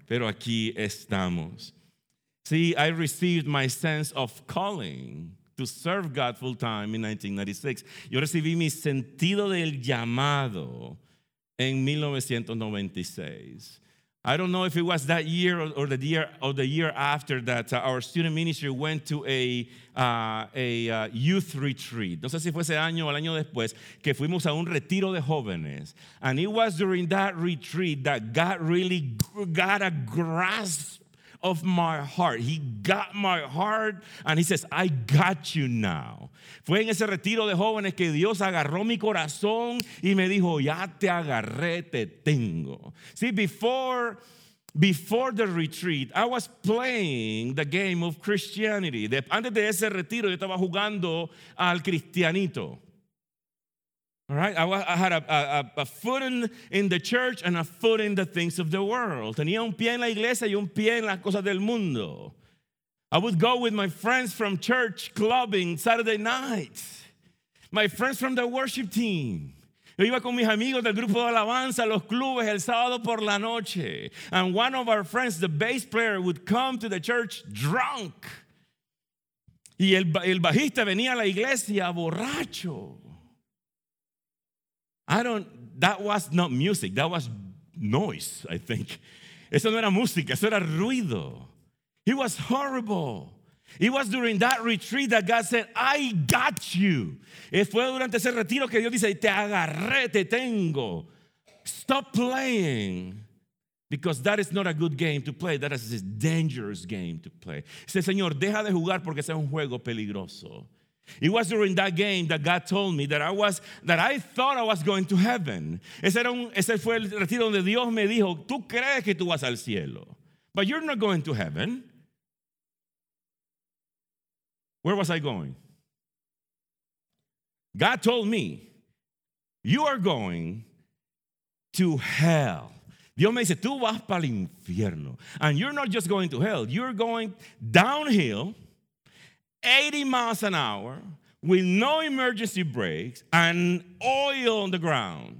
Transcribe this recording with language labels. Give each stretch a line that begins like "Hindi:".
Spanish: Pero aquí estamos.
English: See, I received my sense of calling to serve God full time in 1996.
Spanish: Yo recibí mi sentido del llamado en 1996.
English: I don't know if it was that year or the year after that our student ministry went to a youth retreat.
Spanish: No sé si fue ese año o el año después que fuimos a un retiro de jóvenes.
English: And it was during that retreat that God really got a grasp of my heart. He got my heart and he says, I got you now.
Spanish: Fue en ese retiro de jóvenes que Dios agarró mi corazón y me dijo, ya te agarré, te tengo.
English: See, before the retreat, I was playing the game of Christianity.
Spanish: Antes de ese retiro, yo estaba jugando al cristianito.
English: All right, I had a foot in the church and a foot in the things of the world.
Spanish: Tenía un pie en la iglesia y un pie en las cosas del mundo.
English: I would go with my friends from church clubbing Saturday night. My friends from the worship team.
Spanish: Yo iba con mis amigos del grupo de alabanza, los clubes, el sábado por la noche.
English: And one of our friends, the bass player, would come to the church drunk.
Spanish: Y el bajista venía a la iglesia borracho.
English: That was not music, that was noise, I think.
Spanish: Eso no era música, eso era ruido.
English: It was horrible. It was during that retreat that God said, I got you.
Spanish: Y fue durante ese retiro que Dios dice, te agarré, te tengo.
English: Stop playing. Because that is not a good game to play. That is a dangerous game to play.
Spanish: Dice, Señor, deja de jugar porque es un juego peligroso.
English: It was during that game that God told me that I thought I was going to heaven.
Spanish: Ese fue el retiro donde Dios me dijo, tú crees que tú vas al cielo.
English: But you're not going to heaven. Where was I going? God told me, you are going to hell.
Spanish: Dios me dice, tú vas para el infierno.
English: And you're not just going to hell. You're going downhill, 80 miles an hour, with no emergency brakes, and oil on the ground.